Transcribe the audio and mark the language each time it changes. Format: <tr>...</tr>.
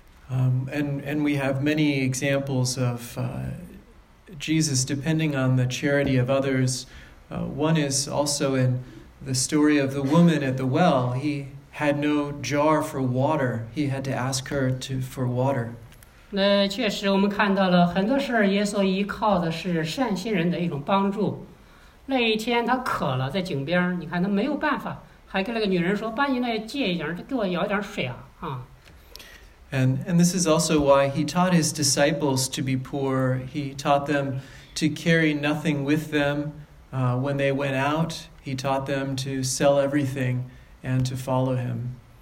<en>And we have many examples of Jesus depending on the charity of others. One is also in the story of the woman at the well. He had no jar for water. He had to ask her for water.</en> <zh>那确实我们看到了很多事儿，耶稣依靠的是善心人的一种帮助。那一天他渴了，在井边，你看他没有办法，还跟那个女人说：“把你那借一点，给我舀点水啊！”啊。</zh> <en>And this is also why he taught his disciples to be poor. He taught them to carry nothing with them when they went out. He taught them to sell everything and to follow him.</en>